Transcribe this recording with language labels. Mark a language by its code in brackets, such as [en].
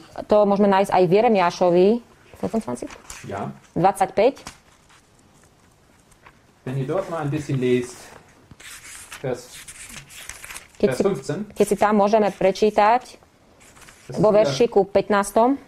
[sk] To môžeme nájsť aj v Jeremiášovi 25. [de] Wenn ihr dort mal ein bisschen lest, vers 15, [sk] keď si tam môžeme prečítať vo veršiku 15.